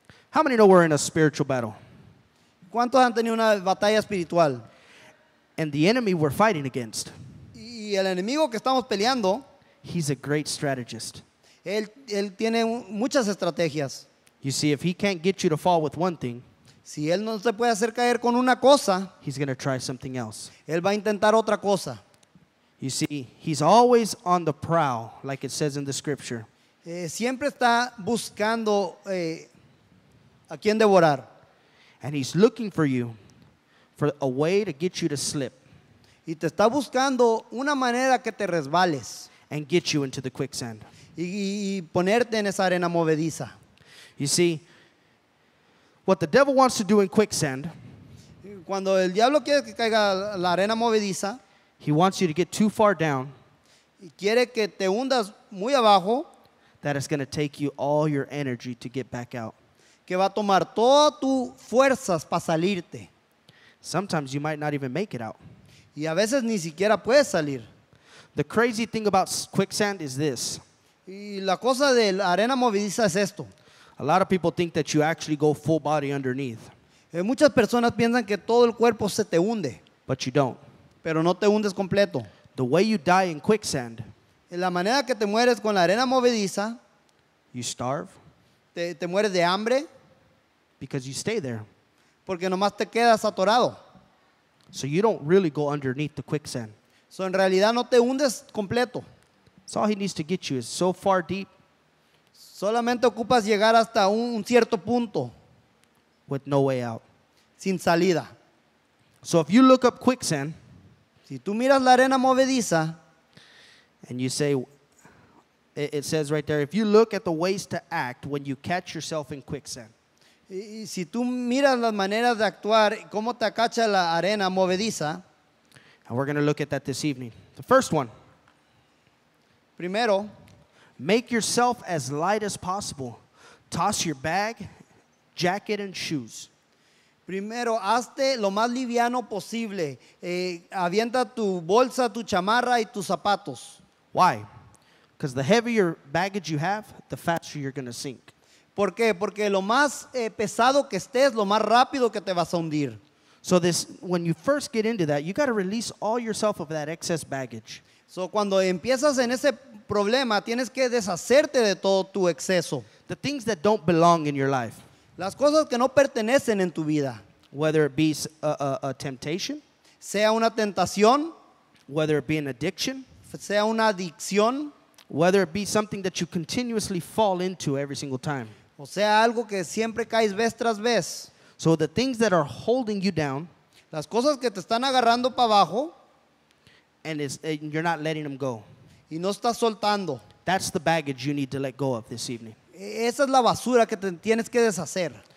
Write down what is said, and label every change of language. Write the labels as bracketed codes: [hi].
[en] How many know we're in a spiritual battle? [es] ¿Cuántos han tenido una batalla espiritual? [en] And the enemy we're fighting against. [es] Y el enemigo que estamos peleando, [en] he's a great strategist. [es] Él tiene muchas estrategias. [en] You see, if he can't get you to fall with one thing, [es] si él no se puede hacer caer con una cosa, [en] he's going to try something else. [es] Él va a intentar otra cosa. [en] You see, he's always on the prowl, like it says in the scripture. [es] Siempre está buscando a quien devorar. [en] And he's looking for you for a way to get you to slip. [es] Y te está buscando una manera que te resbales. [en] And get you into the quicksand. [es] Y ponerte en esa arena movediza. [en] You see, what the devil wants to do in quicksand, [es] cuando el diablo quiere que caiga la arena movediza, [en] he wants you to get too far down, [es] y quiere que te hundas muy abajo, [en] that it's going to take you all your energy to get back out. [es] Que va a tomar todas tus fuerzas para salirte. [en] Sometimes you might not even make it out. [es] Y a veces ni siquiera puedes salir. [en] The crazy thing about quicksand is this. [es] Y la cosa de la arena movediza es esto. [en] A lot of people think that you actually go full body underneath. [es] Muchas personas piensan que todo el cuerpo se te hunde. [en] But you don't. [es] Pero no te hundes completo. [en] The way you die in quicksand. [es] La manera que te mueres con la arena movediza. [en] You starve. [es] Te mueres de hambre. [en] Because you stay there. [es] Porque nomás te quedas atorado. [en] So you don't really go underneath the quicksand. [es] So en realidad no te hundes completo. [en] So all he needs to get you is so far deep. [es] Solamente ocupas llegar hasta un cierto punto. [en] With no way out. [es] Sin salida. [en] So if you look up quicksand. [es] Si tú miras la arena movediza. [en] And you say, it says right there, if you look at the ways to act when you catch yourself in quicksand. [es] Y si tú miras las maneras de actuar, cómo te acacha la arena movediza. [en] And we're going to look at that this evening. The first one. [es] Primero. [en] Make yourself as light as possible. Toss your bag, jacket, and shoes. [es] Primero, hazte lo más liviano posible. Avienta tu bolsa, tu chamarra, y tus zapatos. [en] Why? Because the heavier baggage you have, the faster you're going to sink. [es] ¿Por qué? Porque lo más pesado que estés, lo más rápido que te vas a hundir. [en] So this, when you first get into that, you got to release all yourself of that excess baggage. [es] So cuando empiezas en ese problema, tienes que deshacerte de todo tu exceso. [en] The things that don't belong in your life. [es] Las cosas que no pertenecen en tu vida. [en] Whether it be a temptation. [es] Sea una tentación. [en] Whether it be an addiction. [es] Sea una adicción. [en] Whether it be something that you continuously fall into every single time. [es] O sea, algo que siempre caes vez tras vez. [en] So the things that are holding you down. [es] Las cosas que te están agarrando para abajo. [en] And you're not letting them go. [es] Y no estás soltando. [en] That's the baggage you need to let go of this evening. [es] Esa es la basura que te tienes que deshacer.